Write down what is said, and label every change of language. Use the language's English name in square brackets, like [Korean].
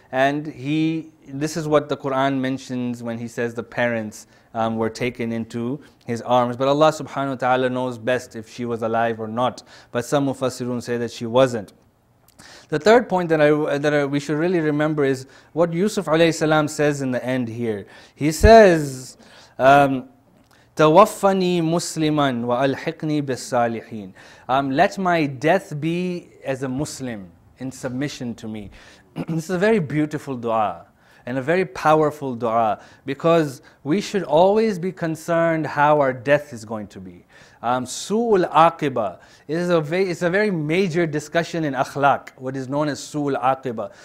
[English] And this is what the Quran mentions when he says the parents were taken into his arms. But Allah subhanahu wa ta'ala knows best if she was alive or not. But some Mufassirun say that she wasn't. The third point that we should really remember is what Yusuf alayhi salam says in the end here. He says, [Arabic] تَوَفَّنِي مُسْلِمًا وَأَلْحِقْنِي بِالصَّالِحِينَ. [English] Let my death be as a Muslim in submission to me. This is a very beautiful dua. And a very powerful dua, because we should always be concerned how our death is going to be. Su'ul aqibah is a very major discussion in akhlaq, what is known as su'ul aqibah.